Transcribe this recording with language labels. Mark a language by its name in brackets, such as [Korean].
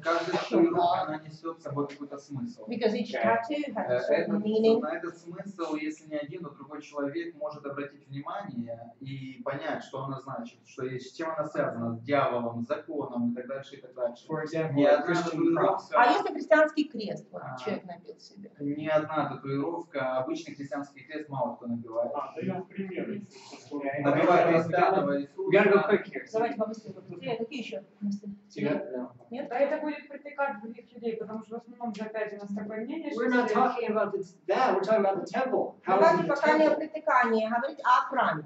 [Russian] Каждая татуировка несет с собой какой-то смысл. [English] Because each tattoo has a certain meaning. [Russian] На этот смысл, если не один, то другой человек может обратить внимание и понять, что она значит, что с чем она связана, с дьяволом, с законом и так дальше, и так дальше. [English] For example, a Christian cross. [Russian] А если христианский крест, вот человек набил себе? Ни одна татуировка, обычный христианский крест мало кто набивает. А, даем примеры. Набивает Распятого Иисуса. Давайте побыстрее. Какие еще мысли? Нет? Да, это будет притекать других людей, потому что в основном же опять у нас такое мнение, что... [English] We're not talking about that, we're talking about the temple. [Russian] Давайте пока не о притекании, говорить о храме.